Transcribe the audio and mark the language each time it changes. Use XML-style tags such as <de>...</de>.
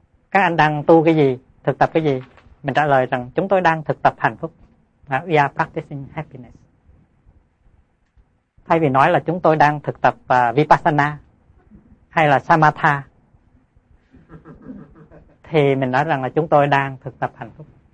<vi>Các anh đang tu cái gì, thực tập cái gì? Mình trả lời rằng chúng tôi đang thực tập hạnh phúc.</vi> <en>We are practicing happiness.</en> <vi>Thay vì nói là chúng tôi đang thực tập vipassana hay là samatha, thì mình nói rằng là chúng tôi đang thực tập hạnh phúc.</vi>